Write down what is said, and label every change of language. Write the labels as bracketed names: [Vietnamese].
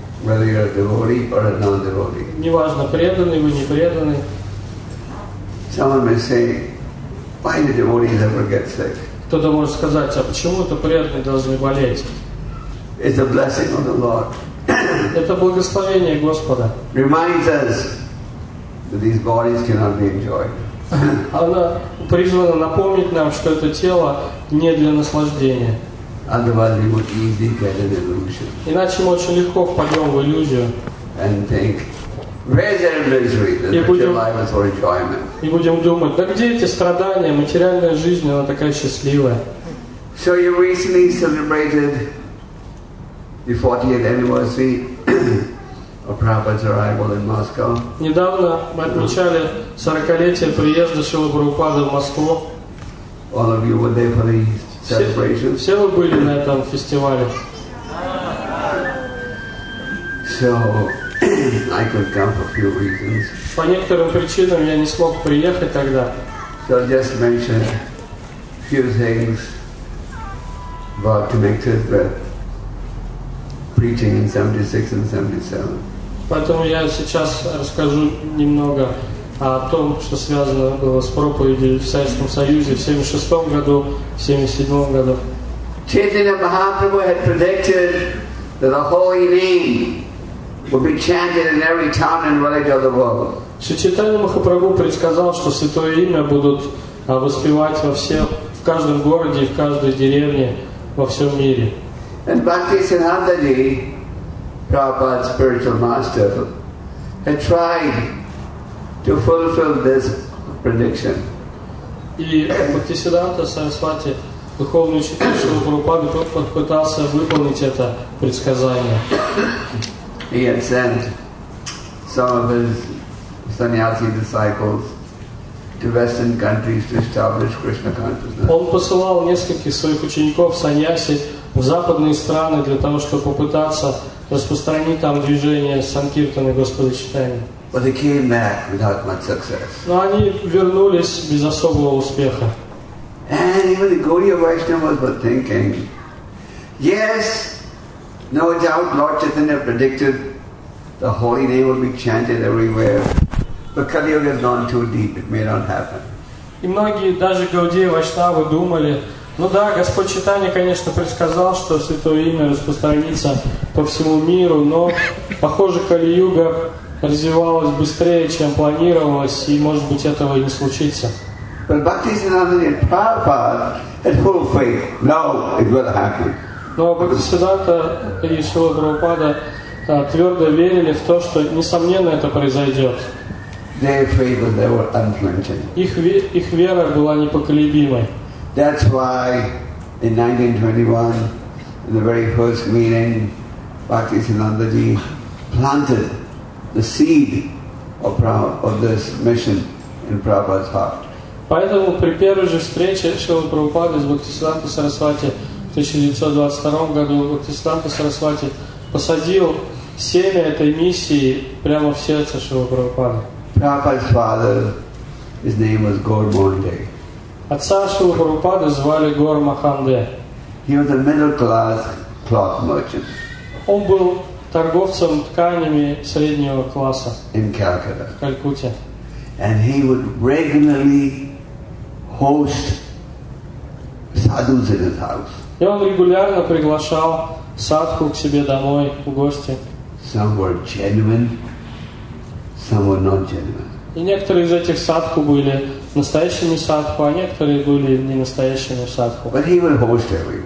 [English] Whether you're a devotee or a non-devotee. [Russian] Неважно, преданный вы, не преданный. [English] Someone may say, why do devotees ever get sick? [Russian] Кто-то может сказать, а почему это преданные должны болеть? [English] It's a blessing of the Lord. [Russian] Это благословение Господа. [English] Reminds us that these bodies cannot be enjoyed. [Russian] Она призвана напомнить нам, что это тело не для наслаждения. [English] Otherwise, we would easily get an illusion. [Russian] Иначе мы очень легко впадем в иллюзию. [English] And think, where's that misery that material life is for enjoyment? [Russian] И будем думать, да где эти страдания, материальная жизнь, она такая счастливая. [English] So you recently celebrated the 40th anniversary of Prabhupada's arrival in Moscow. [Russian] Недавно мы отмечали 40-летие приезда Шрилы Прабхупады в Москву. [English] All of you were there for the celebration. [Russian] Все вы были на этом фестивале. [English] So I couldn't come for a few reasons. [Russian] По некоторым причинам я не смог приехать тогда. [English] So I'll just mention a few things about connected with preaching in 76 and 77. [Russian] Поэтому я сейчас расскажу немного о том, что связано было с проповедью в Советском Союзе в 76 году, в 77 году. [English] Chaitanya Mahaprabhu had predicted that the holy name would be chanted in every town and village of the world. [Russian] Чайтанья Махапрабху предсказал, что святое имя будут воспевать во всем, в каждом городе и в каждой деревне во всем мире. [English] And Bhakti Siddhanta Ji, Prabhupada's spiritual master, had tried to fulfill this prediction. [Russian] И Бхакти Сиддханта Сарасвати, духовный учитель Шрилы Прабхупады, тот попытался выполнить это предсказание. [English] He had sent some of his sannyasi disciples to Western countries to establish Krishna consciousness. [Russian] Он посылал нескольких своих учеников саньяси в западные страны для того, чтобы попытаться распространить там движение санкиртаны Господа Читания. [English] But they came back without much success. [Russian] Но они вернулись без особого успеха. [English] And even the Gaudiya Vaishnavas were thinking, yes, no doubt Lord Chaitanya predicted the holy name will be chanted everywhere. But Kali Yuga has gone too deep, it may not happen. [Russian] И многие, даже Гаудия Вайшнавы, думали, ну да, Господь Читания, конечно, предсказал, что Святое Имя распространится по всему миру, но, похоже, Кали Юга развивалась быстрее, чем планировалось, и, может быть, этого и не случится. [English] But Bhakti Siddhanta and Prabhupada had full faith, no, it will happen. [Russian] Но Бхакти Сиддханта и Шрила Прабхупада твердо верили в то, что, несомненно, это произойдет. [English] Their faith was never unflinching. [Russian] Их вера была непоколебимой. [English] That's why in 1921, in the very first meeting, Bhakti Siddhanta Ji planted the seed of this mission in Prabhupada's heart. [Russian] Поэтому при первой же встрече Шрила Прабхупада с Бхакти Сиддханта Сарасвати в 1922 году Бхакти Сиддханта Сарасвати посадил семя этой миссии прямо в сердце Шрила Прабхупады. [English] Prabhupada's father, his name was Gaur Mohande. [Russian] Отца Шрилы Прабхупады звали Гор Маханде. [English] He was a middle-class cloth merchant. [Russian] Он был торговцем тканями среднего класса. [English] In Calcutta. [Russian] В Калькутте. [English] And he would regularly host sadhus in his house. [Russian] И он регулярно приглашал садху к себе домой в гости. [English] Some were genuine. Some were non-genuine. [Russian] И некоторые из этих садху были настоящими садху, а некоторые были не настоящими садху. [English] But he would host everyone.